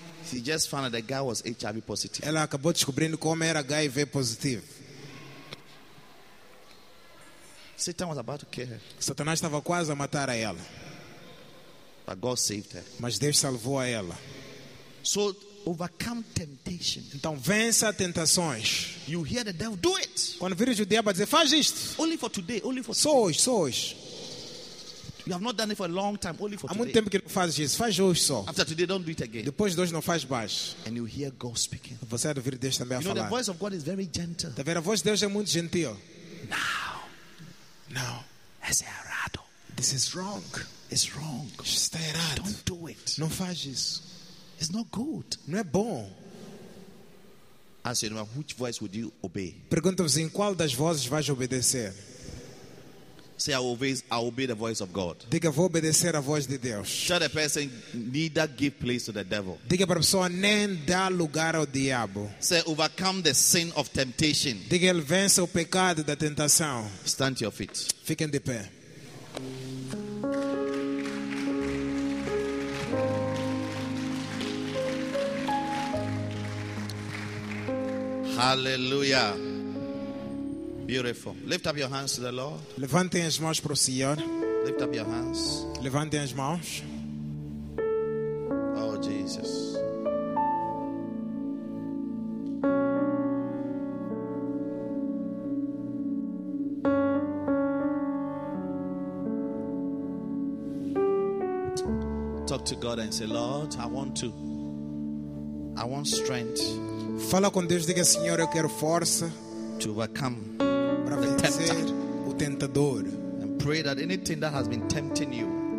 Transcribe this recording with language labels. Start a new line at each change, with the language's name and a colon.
English: She just found that the guy was HIV positive.
Portuguese: Ela acabou descobrindo que o homem era HIV positivo.
English: Satan was about to kill her.
Portuguese: Satanás estava quase a matar a ela.
English: But God saved her.
Portuguese: Mas Deus salvou a ela.
English: So overcome temptation.
Portuguese: Então vença tentações.
English: You hear the devil do it.
Portuguese: Quando vires o diabo dizer faz isto.
English: Only for today. Only for
Portuguese: so hoje. So hoje.
English: You have not done it for a long time. Only for
Portuguese: há
English: today.
Portuguese: Muito tempo que não faz isso. Faz hoje só.
English: After today, don't do it again.
Portuguese: Depois de hoje não faz mais.
English: And you hear God speaking.
Portuguese: Você vai ouvir Deus também
English: you
Portuguese: a falar.
English: You know the voice of God is very gentle.
Portuguese: Da vera voz de Deus é muito gentil. Now. Essa é errado.
English: This is wrong. It's wrong.
Portuguese: Está errado.
English: Don't do it.
Portuguese: Não faz isso.
English: It's not good.
Portuguese: Não é bom.
English: Ask yourself, which voice would you obey?
Portuguese: Pergunta-vos em qual das vozes vais obedecer.
English: Say, I obey the voice of God.
Portuguese: Diga, vou obedecer a voz de Deus.
English: Tell the person, neither give place to the devil.
Portuguese: Diga para a pessoa, nem dá lugar ao diabo.
English: Say, overcome the sin of temptation.
Portuguese: Diga, ele vence o pecado da tentação.
English: Stand to your feet.
Portuguese: Fiquem de pé.
English: Hallelujah. Beautiful. Lift up your hands to the Lord.
Portuguese: Levantem as mãos para o Senhor.
English: Lift up your hands.
Portuguese: Levantem as mãos.
English: Oh Jesus. Talk to God and say, Lord, I want strength.
Portuguese: Fala com Deus, diga Senhor, eu quero força
English: to overcome
Portuguese: para vencer o tentador.
English: And pray that anything that has been tempting you.